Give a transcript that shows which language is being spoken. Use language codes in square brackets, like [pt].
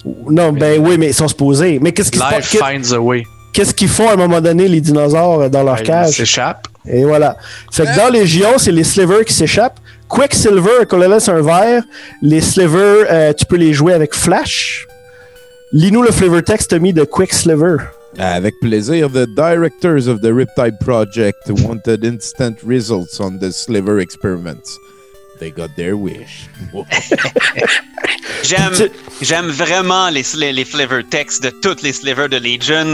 [fr] Non, ben oui, mais ils sont supposés. Mais qu'est-ce qu'ils font? [en] Life finds a way. [fr] Qu'est-ce qu'ils font à un moment donné, les dinosaures, dans leur cage? Ils s'échappent. Et voilà. Fait que dans Légion, c'est les Slivers qui s'échappent. Quicksilver, qu'on les laisse un verre. Les Slivers, tu peux les jouer avec Flash. Lis-nous le flavor text mis de Quicksilver. Avec plaisir. [en] The directors of the Riptide Project wanted instant results on the Sliver experiments. They got their wish. [fr] J'aime vraiment les flavor text de toutes les slivers de Legion.